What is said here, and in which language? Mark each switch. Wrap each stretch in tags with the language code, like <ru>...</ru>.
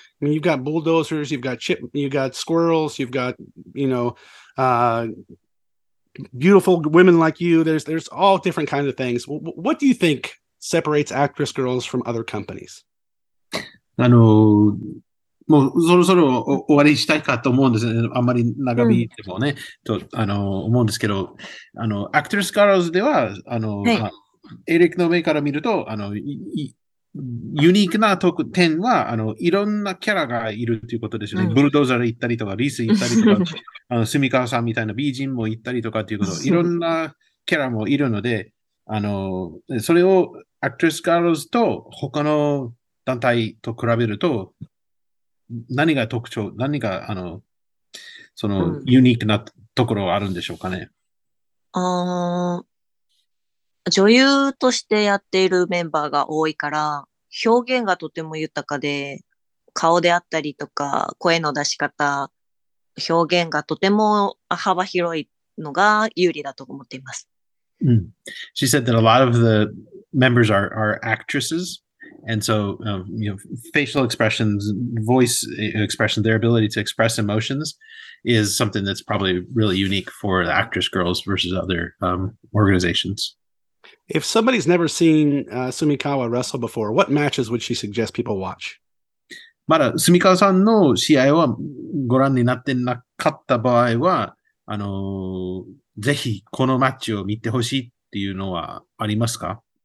<en>I mean, you've got bulldozers, you've got chip, you've got squirrels, you've got, you know, beautiful women like you. There's all different kinds of things. What do you think separates Actress Girls from other companies?</en> <ja>あの、もうそろそろ終わりにしたいかと思うんですね。あんまり長引いてもね、と、あの、思うんですけど、あの、Actress Girls では、あの、エリックの目から見ると、あの、ユニークな特典は、あの、いろんなキャラがいるということですよね。ブルドーザル行ったりとか、リス行ったりとか、あの、スミカワさんみたいな美人も行ったりとかっていうこと、いろんなキャラもいるので、あの、それを Actress Girls と他の団体と比べると、何が特徴、何が、あの、その、ユニークなところはあるんでしょうかね。女優としてやっているメンバーが多いから、表現がとても豊かで、顔であったりとか、声の出し方、表現がとても幅広いのが有利だと思っています。うん。</ja> <en>She said that a lot of the members are actresses. And so, you know, facial expressions, voice expression, their ability to express emotions is something that's probably really unique for the Actress Girls versus other organizations. If somebody's never seen Sumikawa wrestle before, what matches would she suggest people watch?</en> <ja>まだ Sumikawa-san の試合をご覧になってなかった場合は、あの、ぜひこのマッチを見てほしいっていうのはありますか？</ja>